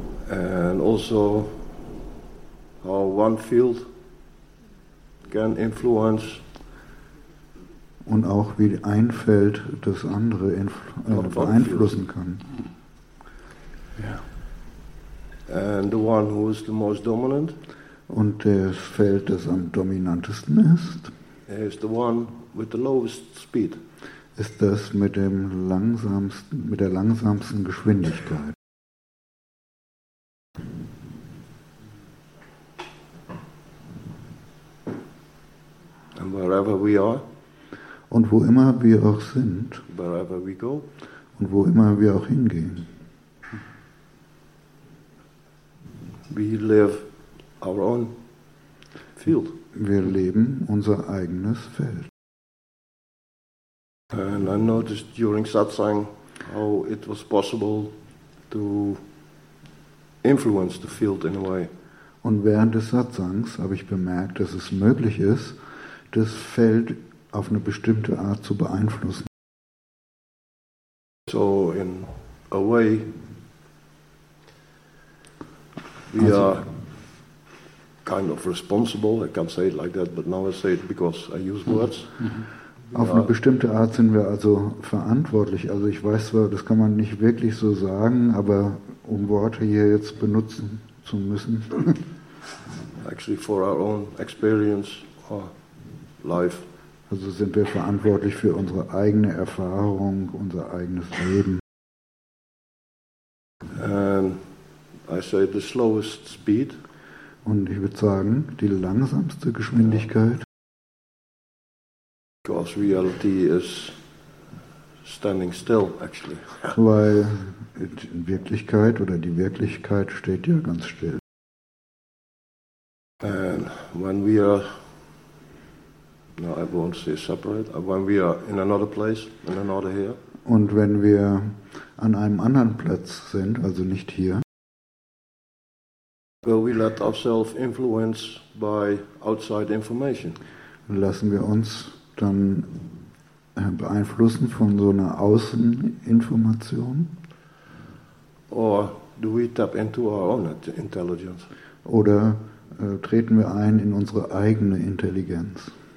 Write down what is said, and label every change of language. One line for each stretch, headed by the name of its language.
English: And also how one field can influence,
German: und auch wie ein Feld das andere beeinflussen kann.
English: Yeah. And the one who is the most dominant,
German: und das Feld, das am dominantesten ist,
English: is the one with the lowest speed,
German: ist das mit dem langsamsten, mit der langsamsten Geschwindigkeit.
English: And wherever we are,
German: und wo immer wir auch sind,
English: wherever we go,
German: und wo immer wir auch hingehen,
English: we live our own field.
German: Wir leben unser eigenes Feld.
English: And I noticed during satsang how it was possible to influence the field in a way.
German: Und während des Satsangs habe ich bemerkt, dass es möglich ist, das Feld auf eine bestimmte Art zu beeinflussen.
English: So in a way, we are kind of responsible. I can't say it like that, but now I say it because I use words.
German: Auf eine bestimmte Art sind wir also verantwortlich. Also ich weiß zwar, das kann man nicht wirklich so sagen, aber um Worte hier jetzt benutzen zu müssen.
English: Actually, for our own experience or life.
German: Also sind wir verantwortlich für unsere eigene Erfahrung, unser eigenes Leben.
English: I say the slowest speed.
German: Und ich würde sagen, die langsamste Geschwindigkeit.
English: Because reality is standing still, actually.
German: Weil in Wirklichkeit oder die Wirklichkeit steht ja ganz still.
English: And when we are, no, I won't say separate, when we are in another place, in another here.
German: Und wenn wir an einem anderen Platz sind, also nicht hier,
English: will we let ourselves influence by outside information?
German: Lassen wir uns dann beeinflussen von so einer Außeninformation?
English: Or do we tap into our own intelligence?
German: Oder treten wir ein in unsere eigene Intelligenz?